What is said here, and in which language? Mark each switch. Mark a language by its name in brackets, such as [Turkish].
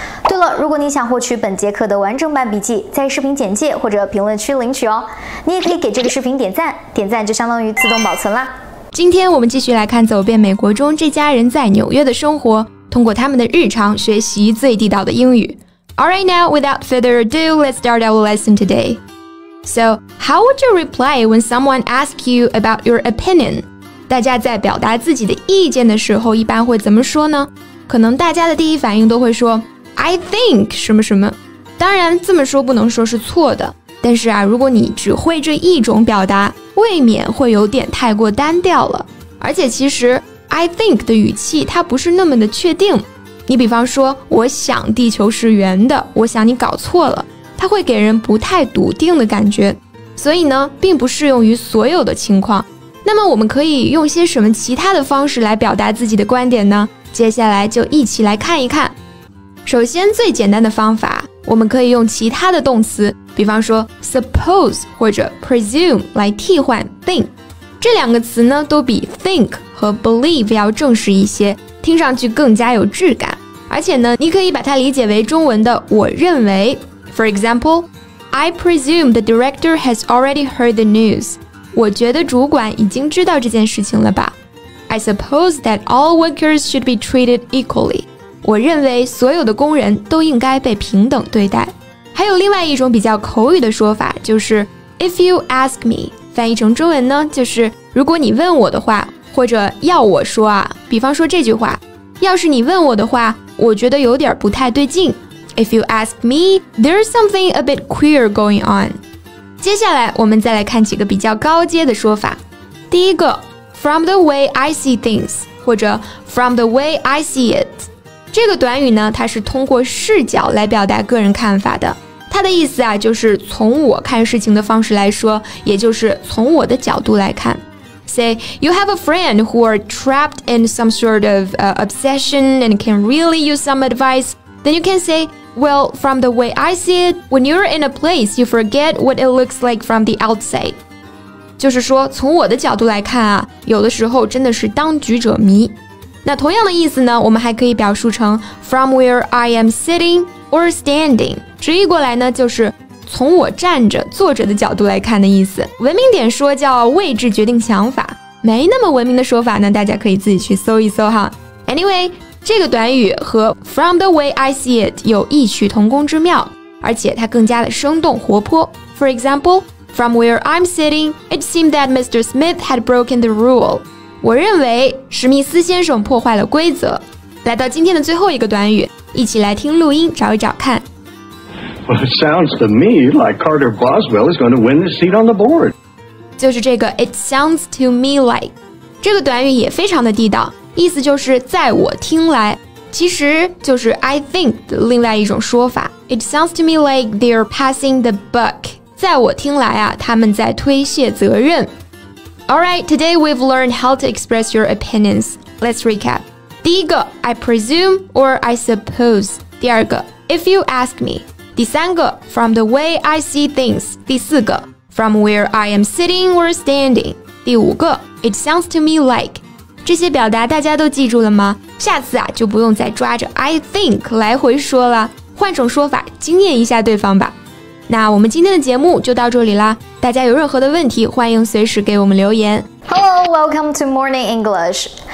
[Chinese] 对了，如果你想获取本节课的完整版笔记，在视频简介或者评论区领取哦。你也可以给这个视频点赞，点赞就相当于自动保存啦。今天我们继续来看走遍美国中这家人在纽约的生活，通过他们的日常学习最地道的英语。 [English] Alright, now without further ado, let's start our lesson today. So, how would you reply when someone asks you about your opinion? [Chinese] 大家在表达自己的意见的时候一般会怎么说呢？可能大家的第一反应都会说 [English] I think [Chinese] 什么什么。当然这么说不能说是错的，但是啊，如果你只会这一种表达，未免会有点太过单调了。而且其实 I think 的语气它不是那么的确定，你比方说我想地球是圆的，我想你搞错了，它会给人不太笃定的感觉，所以呢并不适用于所有的情况。那么我们可以用些什么其他的方式来表达自己的观点呢？接下来就一起来看一看。首先最简单的方法，我们可以用其他的动词，比方说 suppose 或者 presume 来替换 think。这两个词呢都比 think 和 believe 要正式一些，听上去更加有质感。而且呢，你可以把它理解为中文的我认为。 [English] For example, I presume the director has already heard the news. [Chinese] 我觉得主管已经知道这件事情了吧。 [English] I suppose that all workers should be treated equally. [Chinese] 我认为所有的工人都应该被平等对待。还有另外一种比较口语的说法，就是 [English] if you ask me, [Chinese] 翻译成中文呢，就是如果你问我的话，或者要我说啊，比方说这句话，要是你问我的话，我觉得有点不太对劲。 [English] If you ask me, there's something a bit queer going on. [Chinese] 接下来我们再来看几个比较高阶的说法。第一个， [English] from the way I see things, [Chinese] 或者 [English] from the way I see it。 [Chinese] 这个短语呢，它是通过视角来表达个人看法的。它的意思啊，就是从我看事情的方式来说，也就是从我的角度来看。 [English] Say, you have a friend who are trapped in some sort of obsession and can really use some advice. Then you can say, well, from the way I see it, when you're in a place, you forget what it looks like from the outside. [Chinese] 就是说，从我的角度来看啊，有的时候真的是当局者迷。那同样的意思呢，我们还可以表述成 [English] from where I am sitting or standing. [Chinese] 直译过来呢，就是从我站着坐着的角度来看的意思，文明点说叫位置决定想法，没那么文明的说法呢，大家可以自己去搜一搜哈。 [English] Anyway, [Chinese] 这个短语和 [English] from the way I see it [Chinese] 有异曲同工之妙，而且它更加的生动活泼。 [English] For example, from where I'm sitting, it seemed that Mr. Smith had broken the rule. [Chinese] 我认为史密斯先生破坏了规则。来到今天的最后一个短语，一起来听录音找一找看。 [English] Well, it sounds to me like Carter Boswell is going to win the seat on the board. [Chinese] 就是这个 [English] it sounds to me like. [Chinese] 这个短语也非常的地道，意思就是在我听来，其实就是 [English] I think [Chinese] 的另外一种说法。 [English] It sounds to me like they're passing the buck. [Chinese] 在我听来啊，他们在推卸责任。 [English] Alright, today we've learned how to express your opinions. Let's recap. [Chinese] 第一个 [English] I presume or I suppose. [Chinese] 第二个 [English] if you ask me. [Chinese] 第三个 [English] from the way I see things. [Chinese] 第四个 [English] from where I am sitting or standing. [Chinese] 第五个 [English] it sounds to me like. [Chinese] 这些表达大家都记住了吗？下次啊就不用再抓着 [English] I think [Chinese] 来回说了，换种说法惊艳一下对方吧。那我们今天的节目就到这里啦，大家有任何的问题欢迎随时给我们留言。 [English] Hello, welcome to Morning English.